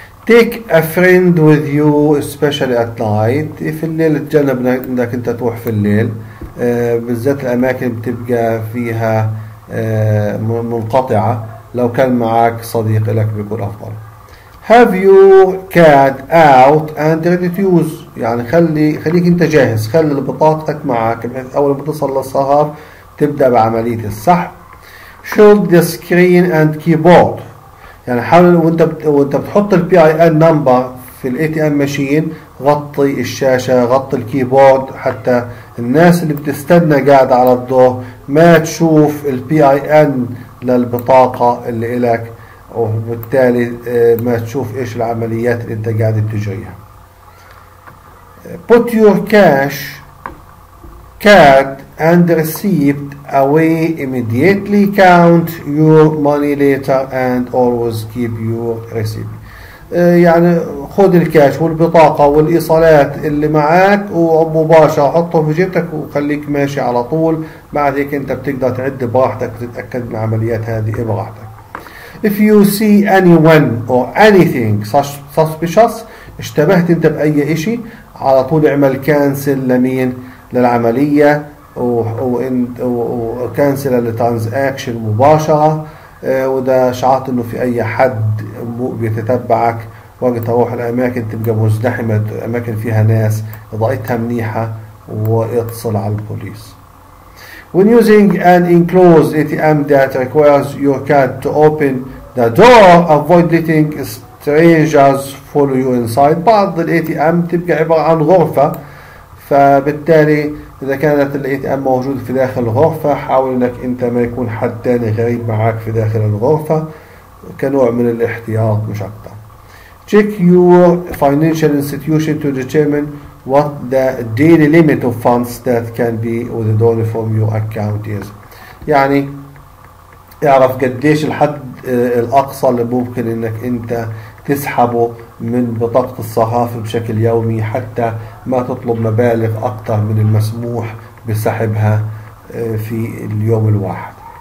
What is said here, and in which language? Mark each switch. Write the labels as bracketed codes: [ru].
[en] Take a friend with you especially at night، [ar] في الليل تجنب أنك أنت تروح في الليل بالذات الأماكن بتبقى فيها منقطعة، لو كان معك صديق لك بيكون أفضل. [en] Have your card out and ready to use، [ar] يعني خليك انت جاهز، خلي بطاقتك معك بحيث اول ما تصل للصحاف تبدأ بعملية السحب. [en] Show the screen and keyboard. [ar] يعني حاول وانت بتحط البي اي ان نمبر في الاي تي ام ماشين، غطي الشاشه، غطي الكيبورد، حتى الناس اللي بتستنى قاعده على الدور ما تشوف البي اي ان للبطاقه اللي لك، وبالتالي ما تشوف ايش العمليات اللي انت قاعد بتجريها. [en] Put your cash card and received away immediately. Count your money later and always keep your receipt. [ar] يعني خذ الكاش والبطاقة والإيصالات اللي معك ومباشرة حطهم في جيبتك وخليك ماشي على طول. بعد هيك أنت بتقدر تعد براحتك وتتأكد من عمليات هذه براحتك. [en] If you see anyone or anything suspicious، [ar] اشتبهت أنت بأي إشي، على طول اعمل كانسل لمين؟ للعملية، وكانسل للترانزاكشن مباشرة. وده شعرت انه في اي حد بيتتبعك، وقت اروح الاماكن تبقى مزدحمة، اماكن فيها ناس اضاءتها منيحة، واتصل على البوليس. [en] When using an enclosed ATM that requires your card to open the door, avoid letting strangers follow you inside. [ar] بعض الـ ATM تبقى عبارة عن غرفة، فبالتالي إذا كانت الـ ATM موجود في داخل الغرفة، حاول إنك أنت ما يكون حد تاني غريب معك في داخل الغرفة كنوع من الاحتياط مش أكتر. [en] Check your financial institution to determine what the daily limit of funds that can be withdrawn from your account is. [ar] يعني اعرف قديش الحد الأقصى اللي ممكن إنك أنت تسحبه من بطاقة الصحافة بشكل يومي، حتى ما تطلب مبالغ أكثر من المسموح بسحبها في اليوم الواحد.